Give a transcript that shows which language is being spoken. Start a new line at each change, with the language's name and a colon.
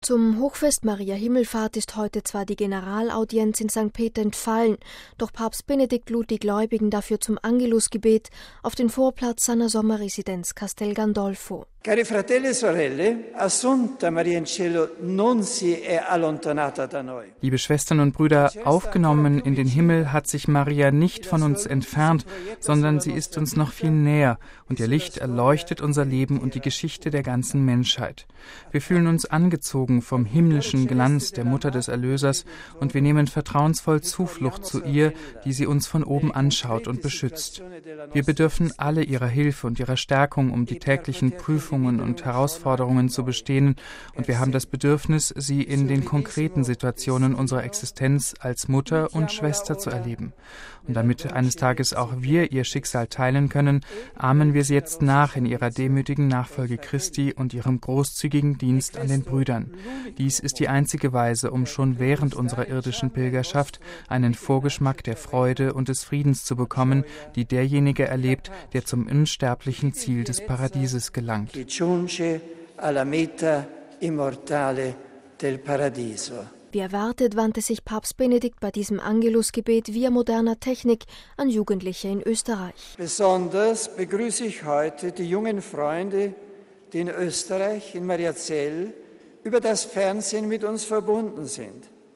German: Zum Hochfest Maria Himmelfahrt ist heute zwar die Generalaudienz in St. Peter entfallen, doch Papst Benedikt lud die Gläubigen dafür zum Angelusgebet auf den Vorplatz seiner Sommerresidenz Castel Gandolfo.
Italian: Cari fratelli e sorelle, Assunta Maria in cielo non si è allontanata da noi.
German: Liebe Schwestern und Brüder, aufgenommen in den Himmel hat sich Maria nicht von uns entfernt, sondern sie ist uns noch viel näher und ihr Licht erleuchtet unser Leben und die Geschichte der ganzen Menschheit. Wir fühlen uns angezogen vom himmlischen Glanz der Mutter des Erlösers und wir nehmen vertrauensvoll Zuflucht zu ihr, die sie uns von oben anschaut und beschützt. Wir bedürfen alle ihrer Hilfe und ihrer Stärkung, um die täglichen Prüfungen und Herausforderungen zu bestehen, und wir haben das Bedürfnis, sie in den konkreten Situationen unserer Existenz als Mutter und Schwester zu erleben. Und damit eines Tages auch wir ihr Schicksal teilen können, ahmen wir sie jetzt nach in ihrer demütigen Nachfolge Christi und ihrem großzügigen Dienst an den Brüdern. Dies ist die einzige Weise, um schon während unserer irdischen Pilgerschaft einen Vorgeschmack der Freude und des Friedens zu bekommen, die derjenige erlebt, der zum unsterblichen Ziel des Paradieses gelangt.
Italian: Che giunge alla meta immortale del paradiso.
German: Wie erwartet wandte sich Papst Benedikt bei diesem Angelusgebet via moderner Technik an Jugendliche in Österreich. Besonders begrüße ich heute die jungen Freunde, die in Österreich, in Mariazell, über das Fernsehen mit uns verbunden sind.